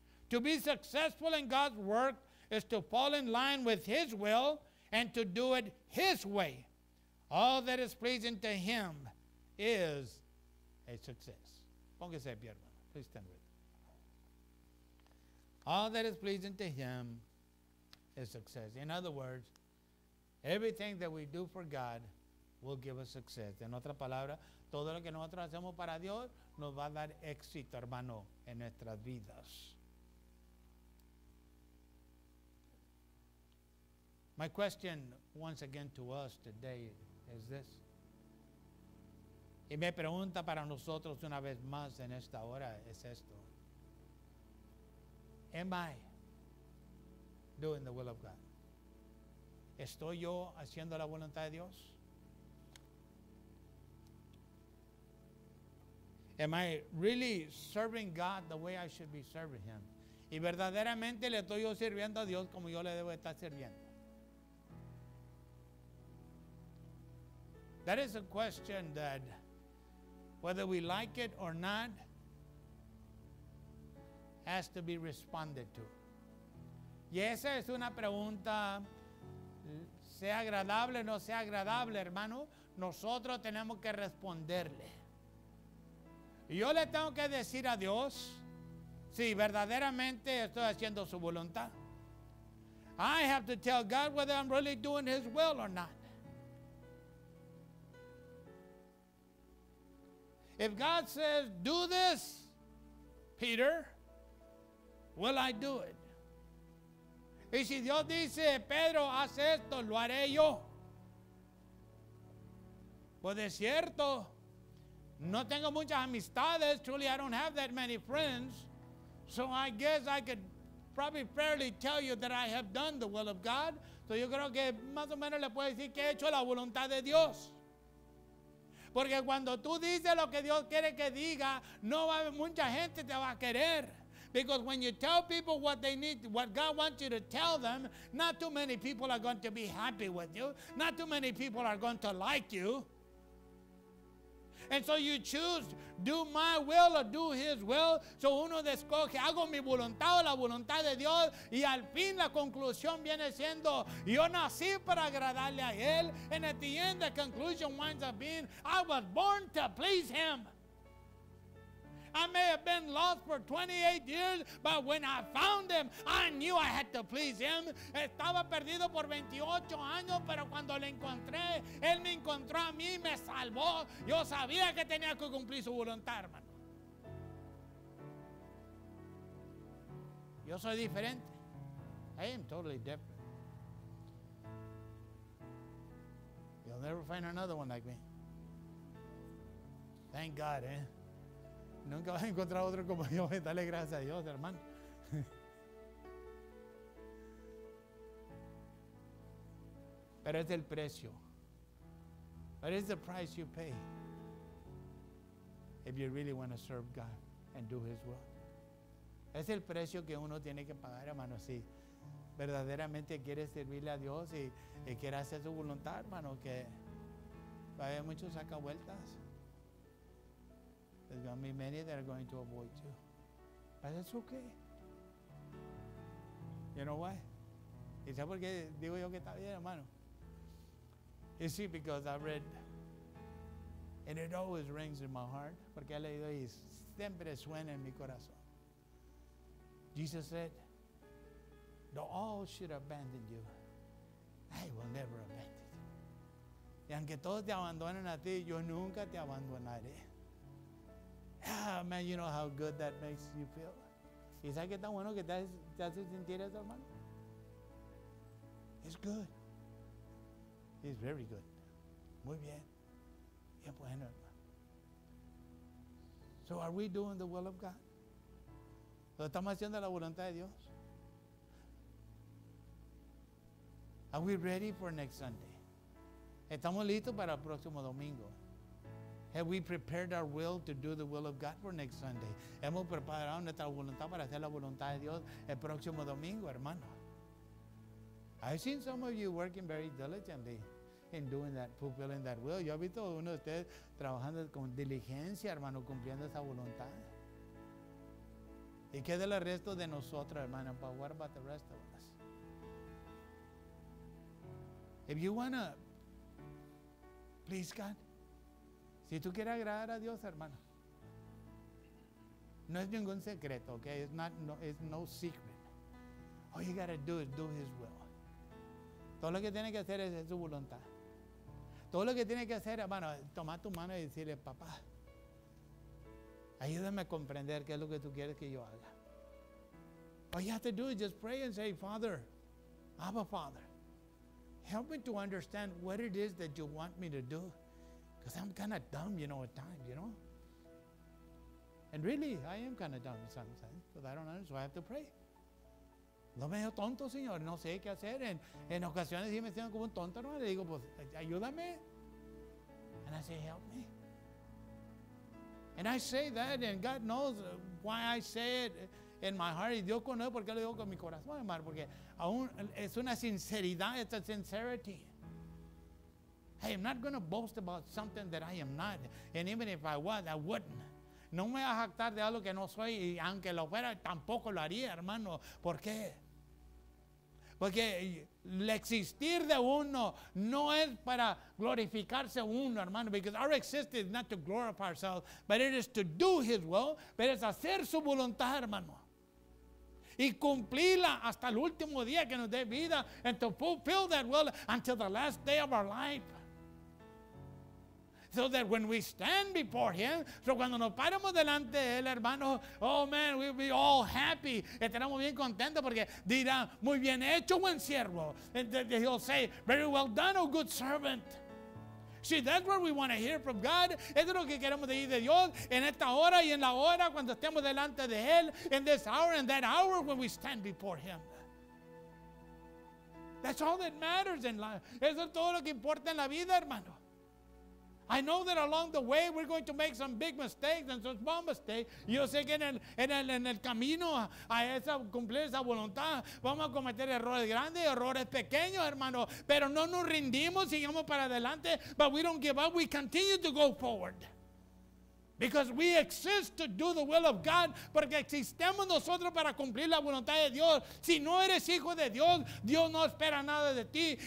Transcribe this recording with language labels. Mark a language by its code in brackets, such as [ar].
[en] To be successful in God's work is to fall in line with His will and to do it His way. All that is pleasing to Him is a success. [es] Póngase de pie, hermano. [en] Please stand with me. All that is pleasing to Him is success. In other words, everything that we do for God will give us success. [es] En otra palabra, todo lo que nosotros hacemos para Dios nos va a dar éxito, hermano, en nuestras vidas. [en] My question once again to us today is this. [es] Y mi pregunta para nosotros una vez más en esta hora es esto. [en] Am I doing the will of God? [es] ¿Estoy yo haciendo la voluntad de Dios? [en] Am I really serving God the way I should be serving Him? [es] ¿Y verdaderamente le estoy yo sirviendo a Dios como yo le debo estar sirviendo? [en] That is a question that, whether we like it or not, has to be responded to. [es] Y esa es una pregunta, sea agradable o no sea agradable, hermano, nosotros tenemos que responderle. Y yo le tengo que decir a Dios, si verdaderamente estoy haciendo su voluntad. [en] I have to tell God whether I'm really doing His will or not. If God says, do this, Peter, will I do it? [es] Y si Dios dice, Pedro, haz esto, lo haré yo. Pues de cierto, no tengo muchas amistades. [en] Truly, I don't have that many friends. So I guess I could probably fairly tell you that I have done the will of God. [es] So yo creo que más o menos le puedo decir que he hecho la voluntad de Dios. Porque cuando tú dices lo que Dios quiere que diga, no va a haber mucha gente te va a querer. [en] Because when you tell people what they need, what God wants you to tell them, not too many people are going to be happy with you. Not too many people are going to like you. And so you choose, do my will or do His will. [es] So uno escoge, hago mi voluntad o la voluntad de Dios. Y al fin la conclusión viene siendo, yo nací para agradarle a Él. [en] And at the end the conclusion winds up being, I was born to please Him. I may have been lost for 28 years, but when I found Him, I knew I had to please Him. [es] Estaba perdido por 28 años, pero cuando le encontré, Él me encontró a mí y me salvó. Yo sabía que tenía que cumplir su voluntad, hermano. Yo soy diferente. [en] I am totally different. You'll never find another one like me. Thank God, eh? [es] Nunca vas a encontrar otro como yo. Dale gracias a Dios, hermano. Pero es el precio. [en] But it's the price you pay if you really want to serve God and do His will. [es] Es el precio que uno tiene que pagar, hermano, si verdaderamente quiere servirle a Dios y quiere hacer su voluntad, hermano, que va a haber muchos sacavueltas. [en] There's going to be many that are going to avoid you. But that's okay. You know why? [es] ¿Y sabes por qué digo yo que está bien, hermano? [en] You see, because I've read, and it always rings in my heart, [es] porque he leído y siempre suena en mi corazón. [en] Jesus said, though all should abandon you, I will never abandon you. [es] Y aunque todos te abandonen a ti, yo nunca te abandonaré. [en] Ah, oh, man, you know how good that makes you feel. [es] ¿Y sabes qué tan bueno que te hace sentir eso, hermano? [en] It's good. It's very good. [es] Muy bien. Bien bueno, hermano. [en] So are we doing the will of God? [es] ¿Lo estamos haciendo la voluntad de Dios? [en] Are we ready for next Sunday? [es] ¿Estamos listos para el próximo domingo? [en] Have we prepared our will to do the will of God for next Sunday? [es] ¿Hemos preparado nuestra voluntad para hacer la voluntad de Dios el próximo domingo, hermano? [en] I've seen some of you working very diligently in doing that, fulfilling that will. [es] Yo he visto uno de ustedes trabajando con diligencia, hermano, cumpliendo esa voluntad. ¿Y qué del resto de nosotros, hermano? [en] But what about the rest of us? If you want to please God, [es] si tú quieres agradar a Dios, hermano, no es ningún secreto, okay? [en] It's no secret. All you got to do is do His will. [es] Todo lo que tiene que hacer es su voluntad. Todo lo que tiene que hacer, hermano, es tomar tu mano y decirle, papá, ayúdame a comprender qué es lo que tú quieres que yo haga. [en] All you have to do is just pray and say, Father, Abba, Father, help me to understand what it is that you want me to do. Because I'm kind of dumb, you know, at times, you know. And really, I am kind of dumb sometimes, but I don't understand, so I have to pray. [es] No me veo tonto, Señor, no sé qué hacer. En ocasiones sí me siento como un tonto, hermano. Le digo, pues, ayúdame. [en] And I say, help me. And I say that, and God knows why I say it in my heart. [es] Y Dios conoce por qué lo digo con mi corazón, hermano. Porque aún es una sinceridad, [en] it's a sincerity. Hey, I'm not going to boast about something that I am not. And even if I was, I wouldn't. [es] No me voy a jactar de algo que no soy, y aunque lo fuera, tampoco lo haría, hermano. ¿Por qué? Porque el existir de uno no es para glorificarse uno, hermano. [en] Because our existence is not to glorify ourselves, but it is to do His will, [es] pero es hacer su voluntad, hermano. Y cumplirla hasta el último día que nos dé vida, [en] and to fulfill that will until the last day of our life. So that when we stand before Him, [es] so cuando nos paramos delante de Él, hermano, [en] oh man, we'll be all happy. [es] Estaremos bien contentos porque dirá, muy bien hecho, buen siervo. [en] And He'll say, very well done, oh good servant. See, that's what we want to hear from God. [es] Eso es lo que queremos decir de Dios en esta hora y en la hora cuando estemos delante de Él, [en] in this hour and that hour when we stand before Him. That's all that matters in life. [es] Eso es todo lo que importa en la vida, hermano. [en] I know that along the way we're going to make some big mistakes and some small mistakes. [es] Yo sé que en el camino a esa cumplir esa voluntad vamos a cometer errores grandes, errores pequeños, hermano. Pero no nos rendimos, sigamos para adelante. [en] But we don't give up. We continue to go forward because we exist to do the will of God. [es] Porque existemos nosotros para cumplir la voluntad de Dios. Si no eres hijo de Dios, Dios no espera nada de ti.